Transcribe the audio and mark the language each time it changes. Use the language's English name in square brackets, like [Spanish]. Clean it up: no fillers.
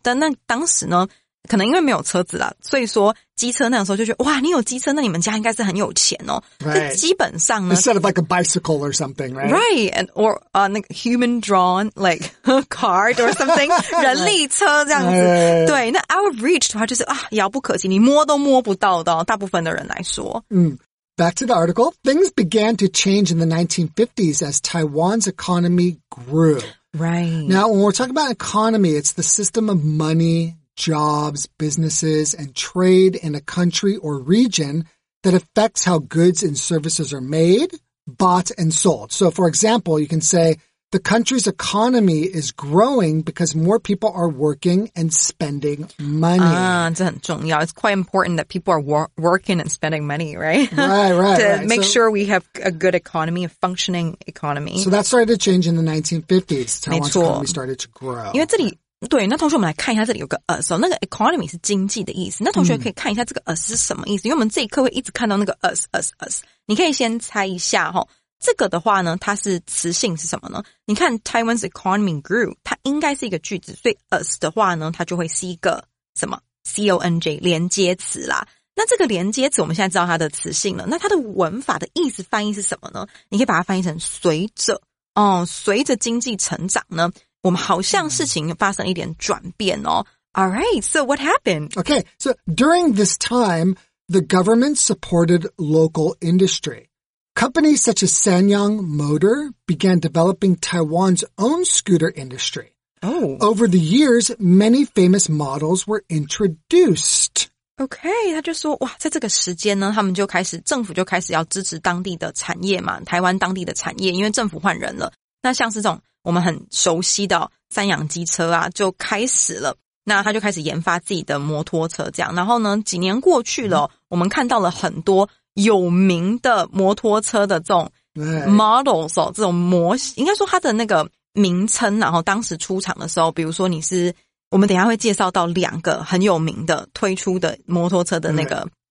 [Chinese] 但当时呢, 可能因为没有车子啦, 所以说机车那时候就觉得, 哇, 你有机车, 那你们家应该是很有钱哦。 [English] Right. [Chinese] 基本上呢, [English] Instead of like a bicycle or something, right? Right. And, or a like, human-drawn, like, cart or something. [Chinese] 人力车这样子。 [English] right. [Chinese] 对, 那 [English] out of reach [Chinese] 的话就是, 啊, 遥不可及, 你摸都摸不到的, 大部分的人来说。 [English] Back to the article. Things began to change in the 1950s as Taiwan's economy grew. Right. Now, when we're talking about economy, it's the system of money, jobs, businesses, and trade in a country or region that affects how goods and services are made, bought, and sold. So, for example, you can say the country's economy is growing because more people are working and spending money. [Chinese] Ah, 这很重要. [English] It's quite important that people are working and spending money, right? Right, right. to right. make so, sure we have a good economy, a functioning economy. So that started to change in the 1950s. Taiwan's economy started to grow. [Chinese] 因为这里, 对,那同学我们来看一下这里有个us哦, 那个economy是经济的意思, 那同学可以看一下这个us是什么意思, 因为我们这一课会一直看到那个us, 你可以先猜一下哦, 这个的话呢, 它是词性是什么呢? 你看 [English] Taiwan's economy grew, [Chinese] 它应该是一个句子, 所以us的话呢, 它就会是一个什么? C-O-N-J, 连接词啦。那这个连接词我们现在知道它的词性了, 那它的文法的意思翻译是什么呢? 你可以把它翻译成随着, 随着经济成长呢, 我们好像事情发生一点转变哦。 [English] All right, so what happened? Okay, so during this time, the government supported local industry. Companies such as Sanyang Motor began developing Taiwan's own scooter industry. Oh. Over the years, many famous models were introduced. [Chinese] Okay, 他就说,哇,在这个时间呢,他们就开始,政府就开始要支持当地的产业嘛,台湾当地的产业,因为政府换人了。那像是这种, 我们很熟悉的三洋机车啊，就开始了。那他就开始研发自己的摩托车，这样。然后呢，几年过去了，我们看到了很多有名的摩托车的这种models哦，这种模型。应该说它的那个名称，然后当时出厂的时候，比如说你是，我们等一下会介绍到两个很有名的推出的摩托车的那个。